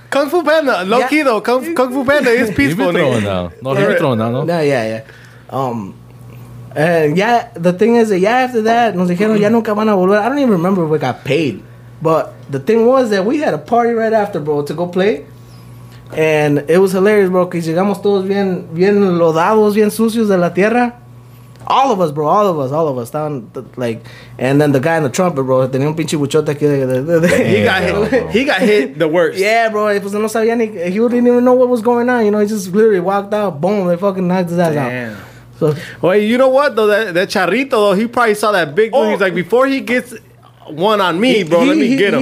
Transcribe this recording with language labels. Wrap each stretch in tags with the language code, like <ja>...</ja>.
<en>Kung Fu Panda. Low key, though. Kung Fu Panda is peaceful. He been throwing down. No, he been throwing down, no? Yeah. And yeah, the thing is that yeah, after that,</en> <es>nos dijeron ya nunca van a volver.</es> <en>I don't even remember if we got paid, but the thing was that we had a party right after, bro, to go play, and it was hilarious, bro.</en> <es>Que llegamos todos bien lodados, bien sucios de la tierra.</es> <en>All of us, bro. All of us. Down, like, and then the guy in the trumpet, bro.</en> <es>Tenía un pinche buchote aquí.</es> <en>He got hit the worst. Yeah, bro.</en> <es>Pues no sabía ni,</es> <en>he didn't even know what was going on. You know, he just literally walked out. Boom! They fucking knocked his ass out. So, well, you know what though, that Charrito though, he probably saw that big one. He's like, before he gets one on me, bro, let me get him.</en>